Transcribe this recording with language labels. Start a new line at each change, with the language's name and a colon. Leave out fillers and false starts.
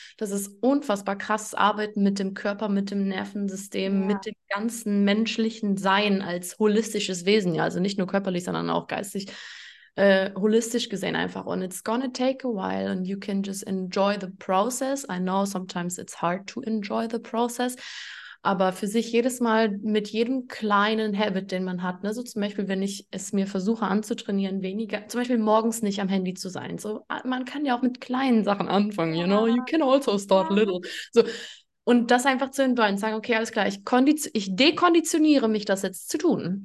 German: Das ist unfassbar krasses Arbeiten mit dem Körper, mit dem Nervensystem, mit Ja. dem ganzen menschlichen Sein als holistisches Wesen. Ja, also nicht nur körperlich, sondern auch geistig. Holistisch gesehen einfach. Und
English: it's gonna take a while and you can just enjoy the process. I know sometimes it's hard to enjoy the process.
German: Aber für sich jedes Mal mit jedem kleinen Habit, den man hat, ne, so zum Beispiel, wenn ich es mir versuche anzutrainieren, weniger, zum Beispiel morgens nicht am Handy zu sein. So, man kann ja auch mit kleinen Sachen anfangen,
English: you know? You
German: Ja.
English: can also start little.
German: So, und das einfach zu enjoyen, sagen, okay, alles klar, ich dekonditioniere mich, das jetzt zu tun.